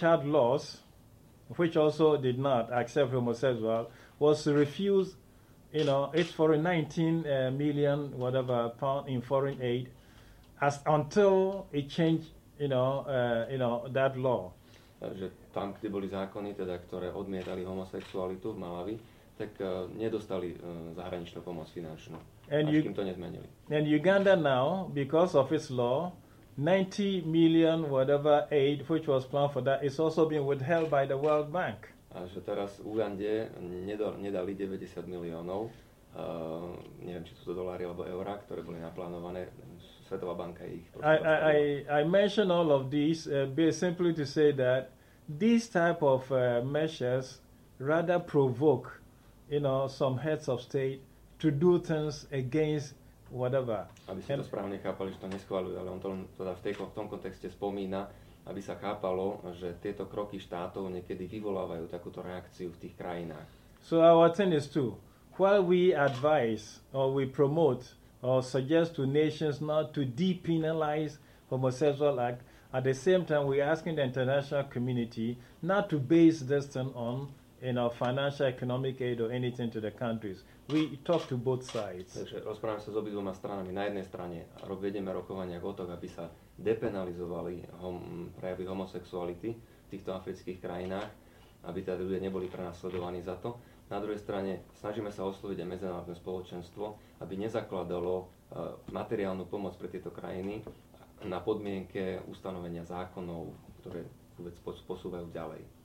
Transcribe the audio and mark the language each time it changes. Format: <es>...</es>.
<en>had laws, which also did not accept homosexuals, was to refuse, its foreign 19 million, whatever, pound in foreign aid, as until it changed, that law.</en> <sk>Takže tam, kde boli zákony, teda ktoré odmietali homosexualitu v Malawi, tak nedostali zahraničnú pomoc finančnú.</sk> <en>And</en> <sk>až kým to nezmenili.</sk> <en>And Uganda now, because of its law, 90 million whatever aid, which was planned for that, is also being withheld by the World Bank.</en> <sk>A že teraz Ugande nedali 90 miliónov, neviem, či sú to dolári alebo eurá, ktoré boli naplánované, Svetová banka ich...</sk> <en>I mention all of these simply to say that these type of measures rather provoke, some heads of state to do things against whatever.</en> <sk>Aby si to správne chápali, že to neschváľujú, ale on to len teda v tom kontexte spomína, aby sa chápalo, že tieto kroky štátov niekedy vyvolávajú takúto reakciu v tých krajinách.</sk> <en>So our thing is too, while we advise or we promote or suggest to nations not to depenalize homosexual act, at the same time we're asking the international community not to base this thing on financial, economic aid or anything to the countries. We talk to both sides.</en> <sk>Takže rozprávame sa s obidvoma stranami. Na jednej strane vedieme rokovania o tom, aby sa depenalizovali prejavy homosexuality v týchto afrických krajinách, aby tí ľudia neboli prenasledovaní za to. Na druhej strane snažíme sa osloviť aj medzinárodné spoločenstvo, aby nezakladalo materiálnu pomoc pre tieto krajiny na podmienke ustanovenia zákonov, ktoré vôbec posúvajú ďalej.</sk>